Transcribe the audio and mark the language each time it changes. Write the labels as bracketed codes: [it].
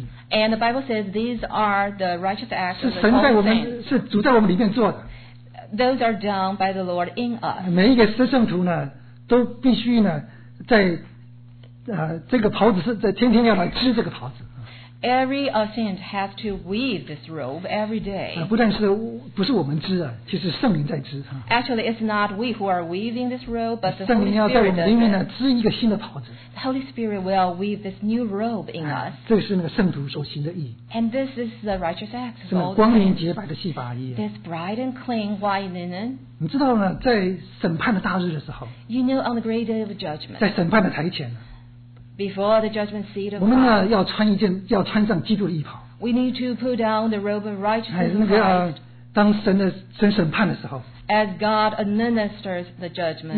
[en] and the Bible says these are the righteous acts [zh] 是神在我们, [en] of the saints. [zh] 是主在我们里面做的, [en] those are done by the Lord in us. [zh] 每一个圣徒呢, 都必须呢, 在, 这个袍子是在天天要来织这个袍子。 [en] Every saint has to weave this robe every day. [zh] 不但是不是我们织啊, 其实圣灵在织, [en] actually, it's not we who are weaving this robe, but the Holy [zh] 圣灵要在我们里面呢, [en] Spirit [zh] 织一个新的袍子, [en] the Holy Spirit will weave this new robe in us. [zh] 这是那个圣徒所行的义, [en] and this is the righteous act. [zh] 这么光明洁白的细法衣, [en] this bright and clean white linen. [zh] 你知道呢, 在审判的大日的时候, [en] you know, on the great day of judgment, [zh] 在审判的台前, [en] before the judgment seat of God, [zh] 我们呢, 要穿上基督的衣袍, [en] we need to put down the robe of righteousness. 哎, [zh] 当神的审判的时候, [en] as God administers the judgment,